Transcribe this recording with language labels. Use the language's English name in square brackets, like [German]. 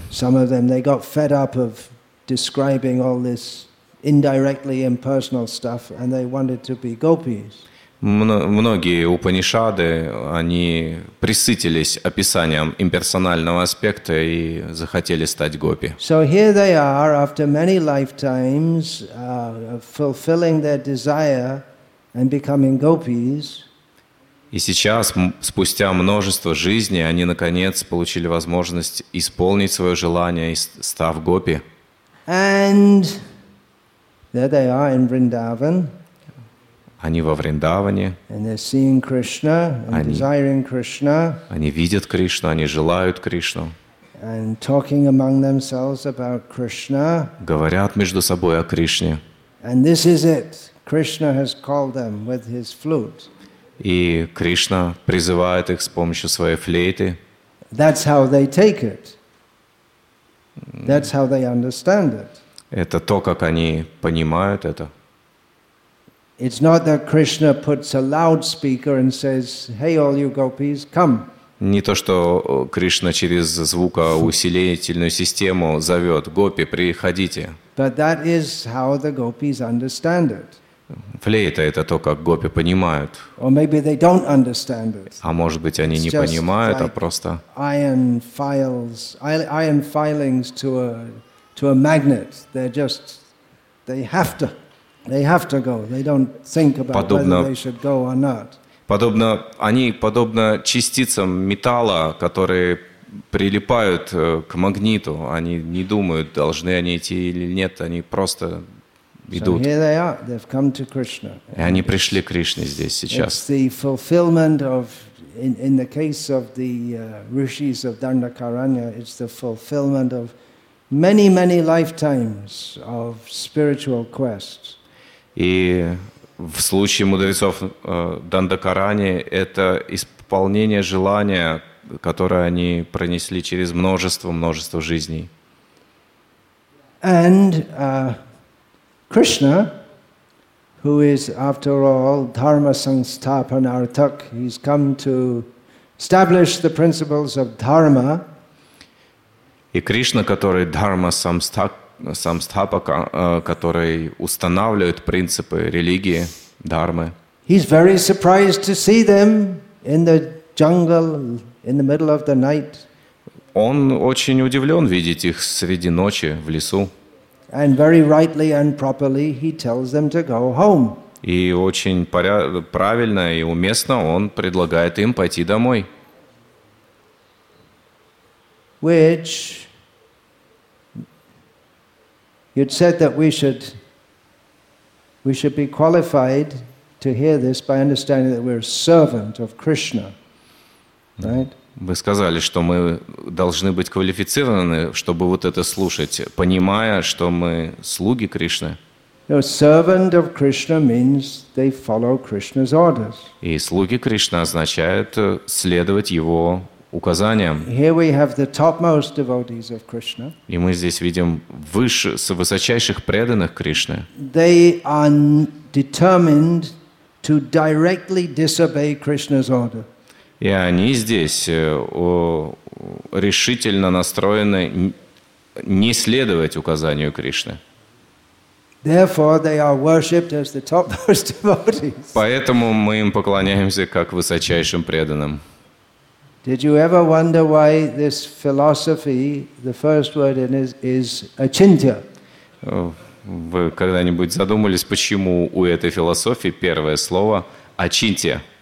[English] Some of them, they got fed up of describing all this indirectly impersonal stuff and they wanted to be gopis. [Russian] Многие упанишады, они присытились описанием имперсонального аспекта и захотели стать гопи. [English] So here they are, after many lifetimes, fulfilling their desire and becoming gopis. [Russian] И сейчас, спустя множество жизней, они наконец получили возможность исполнить свое желание, став гопи. [English] And there they are in Vrindavan. [Russian] Они во Вриндаване. [English] And they're seeing Krishna, and desiring Krishna. [Russian] Они видят Кришну, они желают Кришну. [English] And talking among themselves about Krishna. [Russian] Говорят между собой о Кришне. [English] And this is it. Krishna has called them with his flute. [Russian] И Кришна призывает их с помощью своей флейты. [English] That's how they take it. That's how they understand it. [Russian] Это то, как они понимают это. [English] It's not that Krishna puts a loudspeaker and says, "Hey, all you gopis, come." [Russian] Не то, что Кришна через звукоусилительную систему зовет гопи, приходите. [English] But that is how the gopis understand it. [Russian] Флейта — это то, как гопи понимают. [English] Or maybe they don't understand it. [Russian] А может быть, они не понимают, а просто... [English] Iron files, iron filings to a magnet. They're just, they have to go. They don't think about [Russian] подобно, [English] whether they should go or not. [Russian] Подобно, они подобно частицам металла, которые прилипают к магниту. Они не думают, должны они идти или нет. Они просто идут. [English] So here they are. They've come to Krishna. [Russian] И они пришли к Кришне здесь сейчас. [English] It's the fulfillment of, in the case of the rishis of Dandakaranya, it's the fulfillment of many, many lifetimes of spiritual quests. [Russian] И в случае мудрецов Дандакарани это исполнение желания, которое они пронесли через множество жизней. [English] And Krishna, who is after all dharma sansthapan arthak, he's come to establish the principles of dharma. [Russian] И Кришна, который дхарма самстхапака, который устанавливает принципы религии, дхармы. [English] He's very surprised to see them in the jungle in the middle of the night. [Russian] Он очень удивлен видеть их среди ночи в лесу. [English] And very rightly and properly he tells them to go home. [Russian] И очень правильно и уместно он предлагает им пойти домой. [English] Which you'd said that we should be qualified to hear this by understanding that we're a servant of Krishna, right? [Russian] Вы сказали, что мы должны быть квалифицированы, чтобы вот это слушать, понимая, что мы слуги Кришны. [English] No, servant of Krishna means they follow Krishna's orders. [Russian] И слуги Кришны означают следовать его указаниям. [English] Here we have the topmost devotees of Krishna. [Russian] И мы здесь видим высочайших преданных Кришны. [English] They are determined to directly disobey Krishna's order. [Russian] И они здесь решительно настроены не следовать указанию Кришны. [English] Therefore, they are worshipped as the topmost devotees. [Russian] Поэтому мы им поклоняемся как высочайшим преданным. [English] Did you ever wonder why this philosophy, the first word in it, is achintya? [Russian] Вы когда-нибудь задумались, почему у этой философии первое слово achintya?